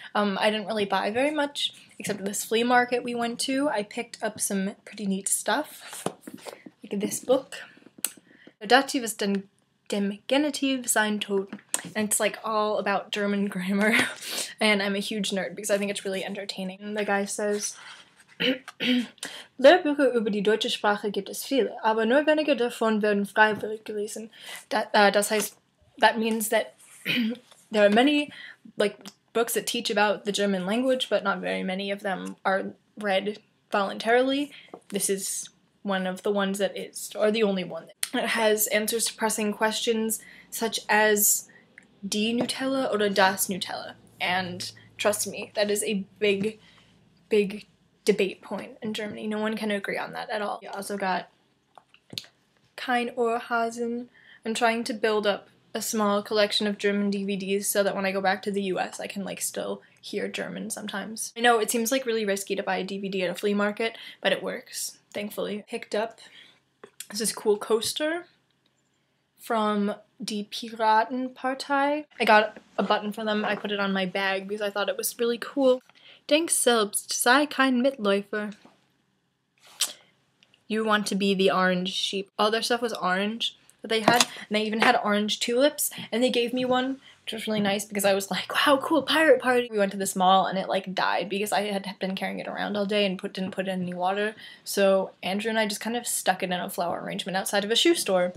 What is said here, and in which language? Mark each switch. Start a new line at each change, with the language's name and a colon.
English: I didn't really buy very much except this flea market we went to. I picked up some pretty neat stuff, like this book, Dativus dem Genitive Sein Tod, and it's like all about German grammar. And I'm a huge nerd because I think it's really entertaining. And the guy says,
German: Lehrbücher über die deutsche Sprache gibt es viele, aber nur wenige davon werden freiwillig gelesen.
English: That means that there are many like books that teach about the German language, but not very many of them are read voluntarily. This is one of the ones that is, or the only one. It has answers to pressing questions such as
German: Die Nutella oder Das Nutella.
English: And trust me, that is a big, big debate point in Germany. No one can agree on that at all. You also got Kein Ohrhasen. I'm trying to build up a small collection of German DVDs so that when I go back to the US I can like still hear German sometimes. I know it seems like really risky to buy a DVD at a flea market, but it works, thankfully. Picked up this cool coaster from Die Piratenpartei. I got a button for them. I put it on my bag because I thought it was really cool.
German: Denk selbst, sei kein Mitläufer.
English: You want to be the orange sheep. All their stuff was orange that they had, and they even had orange tulips, and they gave me one, which was really nice because I was like, wow, cool, pirate party. We went to this mall, and it, like, died because I had been carrying it around all day and didn't put in any water. So Andrew and I just kind of stuck it in a flower arrangement outside of a shoe store.